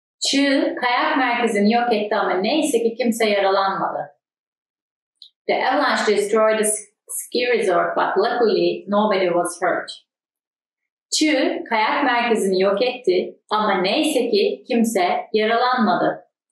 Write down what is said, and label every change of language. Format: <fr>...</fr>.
<tr>Çığ kayak merkezini yok etti ama neyse ki kimse yaralanmadı.</tr> <en>The avalanche destroyed the ski resort but luckily nobody was hurt.</en> <tr>Çığ kayak merkezini yok etti ama neyse ki kimse yaralanmadı.</tr>